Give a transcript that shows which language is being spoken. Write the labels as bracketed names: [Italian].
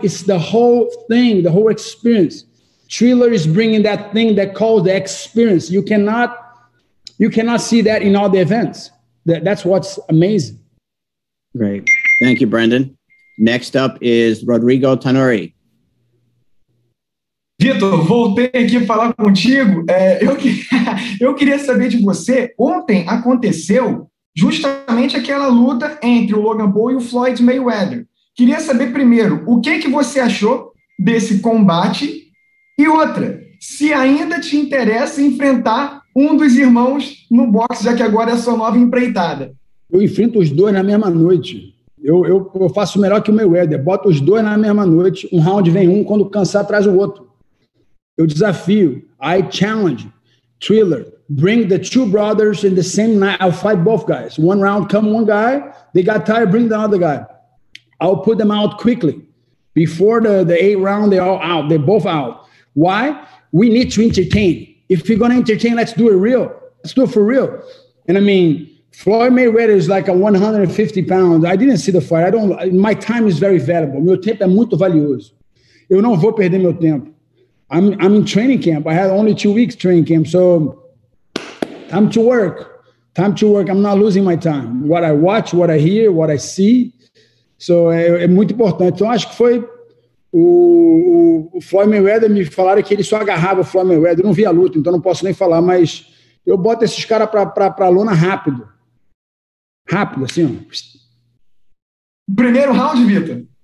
[English] It's the whole thing, the whole experience. Triller is bringing that thing that called the experience. You cannot see that in all the events. That's what's amazing. Great. Thank you, Brendan. Next up is Rodrigo Tanuri. [Portuguese] Vitor, voltei aqui falar contigo. Eu queria saber de você. Ontem aconteceu justamente aquela luta entre o Logan Paul e o Floyd Mayweather. Queria saber primeiro, o que que você achou desse combate? E outra, se ainda te interessa enfrentar um dos irmãos no boxe, já que agora é a sua nova empreitada. Eu enfrento os dois na mesma noite. Eu faço melhor que o Mayweather. Boto os dois na mesma noite. Um round vem um, quando cansar, traz o outro. Eu desafio. [English] I challenge. [Portuguese] Triller. [English] Bring the two brothers in the same night. I'll fight both guys. One round, come one guy. They got tired, bring the other guy. I'll put them out quickly. Before the eight round, they're all out. They're both out. Why? We need to entertain. If you're going to entertain, let's do it real. Let's do it for real. And I mean, Floyd Mayweather is like a 150 pounds. I didn't see the fight. My time is very valuable. [Portuguese] Meu tempo é muito valioso. Eu não vou perder meu tempo. [English] I'm in training camp. I had only 2 weeks training camp. So time to work. Time to work. I'm not losing my time. What I watch, what I hear, what I see. [Portuguese] So é muito importante. Então acho que foi o Floyd Mayweather, me falaram que ele só agarrava o Floyd Mayweather. Eu não vi a luta, então não posso nem falar. Mas eu boto esses caras para a lona rápido. Rápido, assim, ó. Primeiro round, Vitor?